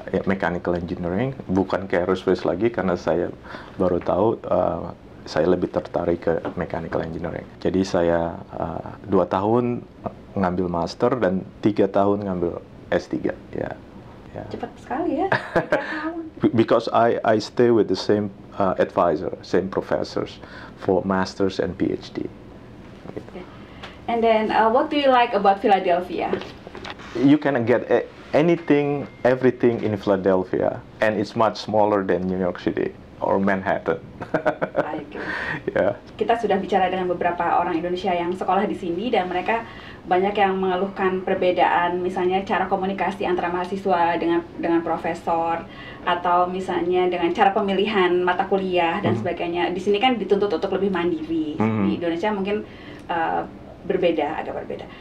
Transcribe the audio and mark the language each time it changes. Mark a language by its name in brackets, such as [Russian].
[Indonesian] Mechanical engineering, bukan ke aerospace lagi, karena saya baru tahu saya lebih tertarik ke mechanical engineering. Jadi saya 2 tahun ngambil master dan 3 tahun ngambil S3. Yeah. Yeah. Cepat sekali ya. [English] Because I stay with the same advisor, same professors for masters and PhD. Okay. And then what do you like about Philadelphia? You can get anything, everything in Philadelphia, and it's much smaller than New York City or Manhattan. Yeah. [Indonesian] Kita sudah bicara dengan beberapa orang Indonesia yang sekolah di sini, dan mereka banyak yang mengeluhkan perbedaan, misalnya cara komunikasi antara mahasiswa dengan profesor, atau misalnya dengan cara pemilihan mata kuliah dan sebagainya. Di sini kan dituntut untuk lebih mandiri. Mm-hmm. Di Indonesia mungkin berbeda, agak berbeda.